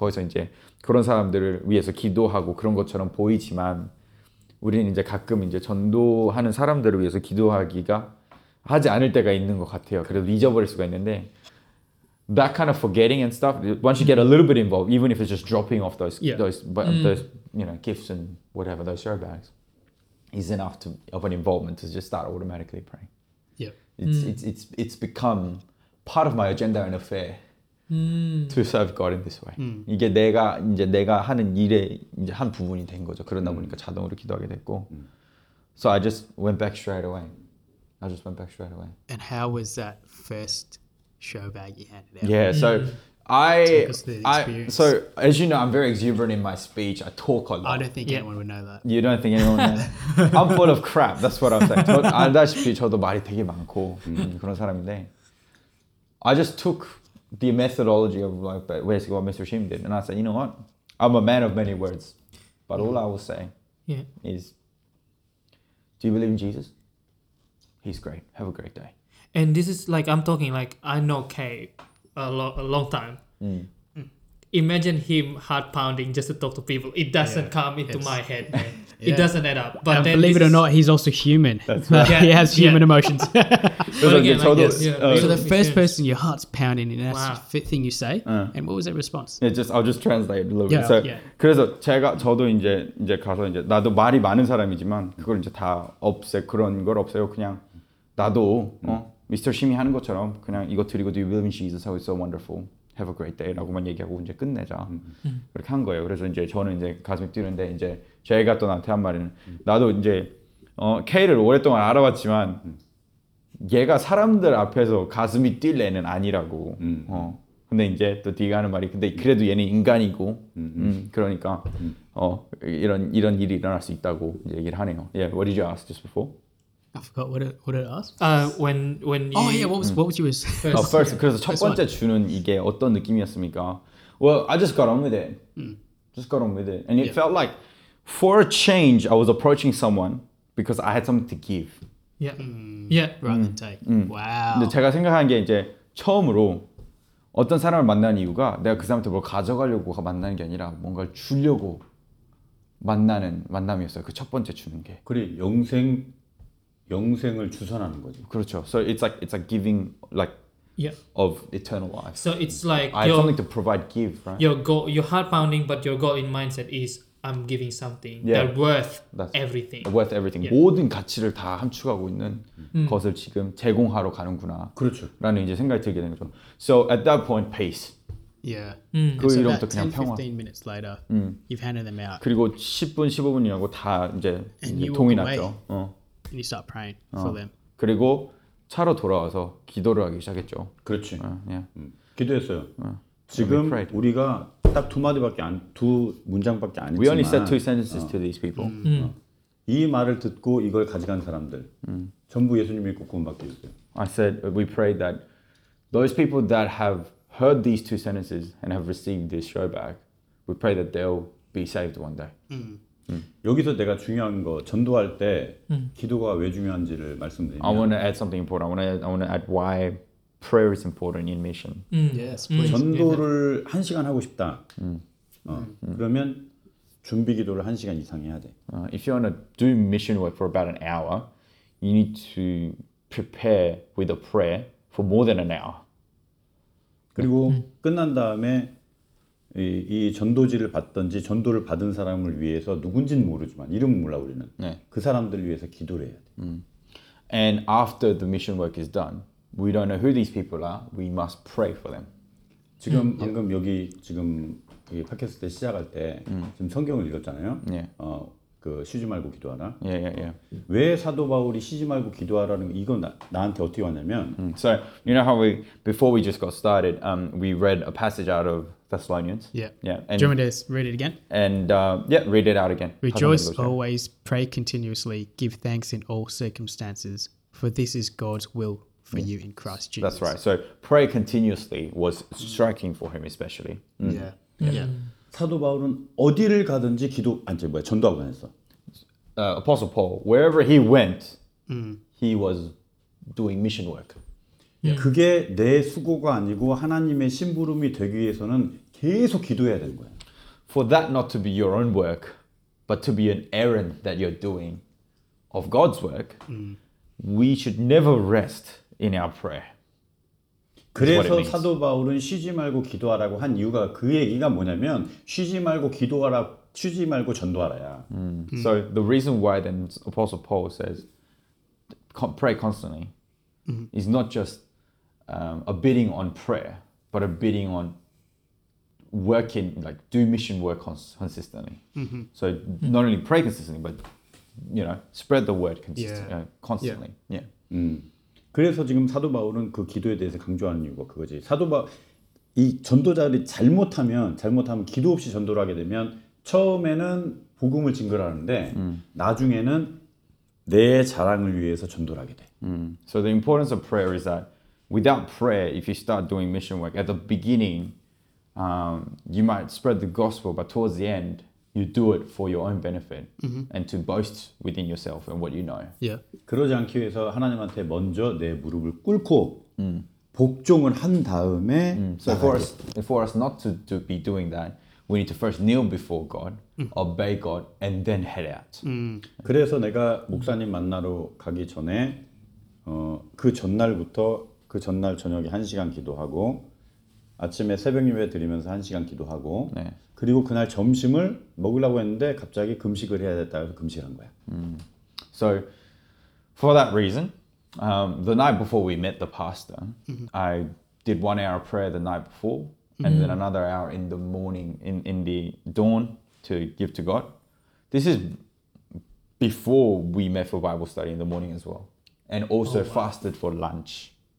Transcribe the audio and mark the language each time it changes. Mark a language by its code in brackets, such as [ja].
[ko] 거기서 이제 그런 사람들을 위해서 기도하고 그런 것처럼 보이지만 우리는 이제 가끔 이제 전도하는 사람들을 위해서 기도하기가 하지 않을 때가 있는 것 같아요. 그래도 잊어버릴 수가 있는데 [en] that kind of forgetting and stuff. Once you get a little bit involved, even if it's just dropping off those you know gifts and whatever those share bags. Is enough of an involvement to just start automatically praying. Yeah, it's become part of my agenda and affair to serve God in this way. [ko] 이게 내가 하는 일의 이제 한 부분이 된 거죠. 그러다 보니까 자동으로 기도하게 됐고. [en] So I just went back straight away. And how was that first show bag you handed out? Yeah, so. As you know, I'm very exuberant in my speech. I talk a lot. I don't think anyone would know that. You don't think anyone would know that? I'm full of crap. That's what I'm saying. [ko] 알다시피 저도 말이 되게 많고 그런 사람인데 [en] I just took the methodology of like basically what Mr. Shim did. And I said, you know what? I'm a man of many words. But all I will say is, do you believe in Jesus? He's great. Have a great day. And this is like, I'm talking like, I know Kay. A long time. Imagine him heart pounding just to talk to people. It doesn't come into my head, man. It doesn't add up. But then believe it or not, he's also human. That's right. He has human emotions. So the first person, your heart's pounding, and that's the thing you say. And what was that response? Yeah, I'll just translate a little bit. [ko] So 그래서 제가 저도 이제 가서 이제 나도 말이 많은 사람이지만 그걸 이제 다 없애 그런 걸 없애요. 그냥 나도 Mr. Shimmy 하는 것처럼 그냥 이거 드리고 [en] Do you believe in Jesus? How it's so wonderful. Have a great day. [ko] 라고만 얘기하고 이제 끝내자. 그렇게 한 거예요. 그래서 이제 저는 이제 가슴이 뛰는데 이제 제가 또 나한테 한 말은 나도 이제 K를 오랫동안 알아봤지만 얘가 사람들 앞에서 가슴이 뛸 애는 아니라고. 근데 이제 또 D가 하는 말이 근데 그래도 얘는 인간이고 그러니까 이런 일이 일어날 수 있다고 이제 얘기를 하네요. [en] Yeah, what did you ask just before? I forgot what it asked. When you... Oh yeah, what was yours? [ko] First, 그래서 첫 번째 주는 이게 어떤 느낌이었습니까? [en] Well, I just got on with it. And it felt like, for a change, I was approaching someone because I had something to give. Rather than take. Wow. [ko] 제가 생각한 게 이제 처음으로 어떤 사람을 만난 이유가 내가 그 사람한테 뭘 가져가려고 만나는 게 아니라 뭔가를 주려고 만나는 만남이었어요. 그 첫 번째 주는 게. 그래, 영생을 주선하는 거지. 그렇죠. [en] So it's like giving like of eternal life. So it's like I have something to provide, give, right? Your goal, your heart pounding, but your goal in mindset is I'm giving something that worth everything. Worth everything. Yeah. [ko] 모든 가치를 다 함축하고 있는 것을 지금 제공하러 가는구나. 그렇죠. 라는 이제 생각이 들게 되는 거죠. [en] So at that point, pace. Yeah. [ko] 그 so 이름도 그냥 평화. [en] 10, 15 minutes later, you've handed them out. [ko] 그리고 10분, 15분이라고 다 이제 통이 났죠. [en] And you start praying for them. [ko] 그리고 차로 돌아와서 기도를 하기 시작했죠. 그렇지. 기도했어요. 지금 우리가 딱 두 마디밖에 안, 두 문장밖에 안 [en] 했지만 We only said two sentences to these people. [ko] 이 말을 듣고 이걸 가져간 사람들 전부 예수님이 꿈꾸는 밖에 있어요. [en] I said, we prayed that those people that have heard these two sentences and have received this show back, we pray that they'll be saved one day. [ko] 여기서 내가 중요한 거 전도할 때 기도가 왜 중요한지를 말씀드리면 [en] I want to add something important. I want to add why prayer is important in mission. Yes. [ko] 전도를 한 시간 하고 싶다. 그러면 준비 기도를 한 시간 이상 해야 돼. [en] If you want to do mission work for about an hour, you need to prepare with a prayer for more than an hour. [ko] 그리고 끝난 다음에 이 전도지를 받든지 전도를 받은 사람을 위해서 누군지는 모르지만 이름 몰라 우리는 그 사람들 위해서 기도를 해야 돼. [en] And after the mission work is done, we don't know who these people are. We must pray for them. [ko] 지금 방금 여기 지금 이 팟캐스트 시작할 때 지금 성경을 읽었잖아요. 그 쉬지 말고 기도하라. 왜 사도 바울이 쉬지 말고 기도하라는 이건 나한테 어떻게 왔냐면 [en] So you know how we before we just got started, we read a passage out of Thessalonians. And, do you want me to read it again? And read it out again. Rejoice always, pray continuously, give thanks in all circumstances, for this is God's will for you in Christ Jesus. That's right. So pray continuously was striking for him especially. Yeah. [ko] 사도 바울은 어디를 가든지 기도 안지 뭐야 전도하고 다녔어. [en] Apostle Paul, wherever he went, he was doing mission work. [ko] 그게 내 수고가 아니고 하나님의 심부름이 되기 위해서는 계속 기도해야 되는 거야. [en] For that not to be your own work, but to be an errand that you're doing of God's work, we should never rest in our prayer. [ko] 그래서 사도 바울은 쉬지 말고 기도하라고 한 이유가 그 얘기가 뭐냐면 쉬지 말고 기도하라, 쉬지 말고 전도하라야. [en] So the reason why then Apostle Paul says pray constantly is not just a bidding on prayer, but a bidding on working, like do mission work consistently. So not only pray consistently, but you know, spread the word constantly. Yeah. [ko] 그래서 지금 사도 바울은 그 기도에 대해서 강조하는 이유가 그거지. 사도 바 이 전도자들이 잘못하면 기도 없이 전도를 하게 되면 처음에는 복음을 증거하는데 나중에는 내 자랑을 위해서 전도를 하게 돼. [en] So the importance of prayer is that without prayer, if you start doing mission work at the beginning, you might spread the gospel, but towards the end, you do it for your own benefit and to boast within yourself and what you know. Yeah. [ko] 그러지 않기 위해서 하나님한테 먼저 내 무릎을 꿇고 복종을 한 다음에. [en] So for us not to be doing that, we need to first kneel before God, obey God, and then head out. [ko] 그래서 내가 목사님 만나러 가기 전에 그 전날부터 그 전날 저녁에 한 시간 기도하고 아침에 새벽 예배 드리면서 한 시간 기도하고 네. 그리고 그날 점심을 먹으려고 했는데 갑자기 금식을 해야 됐다 그래서 금식을 한 거야. [en] So for that reason, the night before we met the pastor, I did 1 hour prayer the night before, and then another hour in the morning in the dawn to give to God. This is before we met for Bible study in the morning as well, and also fasted for lunch.